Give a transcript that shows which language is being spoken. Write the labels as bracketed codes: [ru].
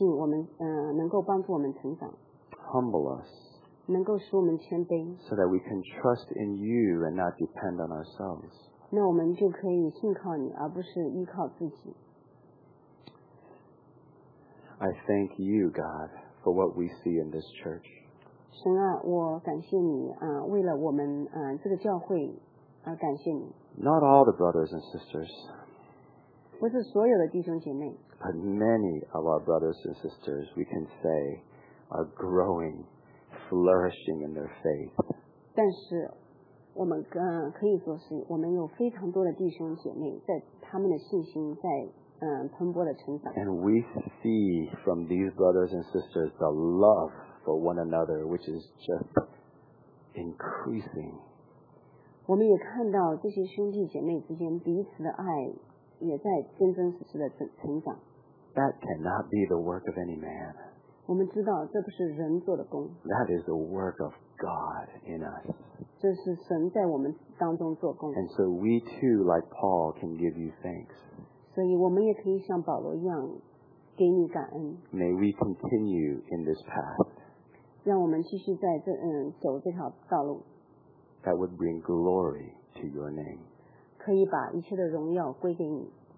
[zh] 通过这些困境，我们能够帮助我们成长。 [en] Humble us. [zh] 能够使我们谦卑。 [en] So that we can trust in you and not depend on ourselves. [zh] 那我们就可以信靠你，而不是依靠自己。 [en] I thank you, God, for what we see in this church. [zh] 神啊，我感谢你啊，为了我们啊这个教会而感谢你。 [en] Not all the brothers and sisters. [zh] 不是所有的弟兄姐妹。 [en] But many of our brothers and sisters, we can say, are growing, flourishing in their faith. [zh] 但是我们可以说是我们有非常多的弟兄姐妹在他们的信心在蓬勃的成长。 [en] And we see from these brothers and sisters the love for one another, which is just increasing. [zh] 我们也看到这些兄弟姐妹之间彼此的爱也在真真实实的成长。 [en] That cannot be the work of any man. [zh] 我们知道这不是人做的工。 [en] That is the work of God in us. [zh] 这是神在我们当中做工。 [en] And so we too, like Paul, can give you thanks. [zh] 所以我们也可以像保罗一样给你感恩。 [en] May we continue in this path. [zh] 让我们继续在这走这条道路。 [en] That would bring glory to your name. [zh] 可以把一切的荣耀归给你。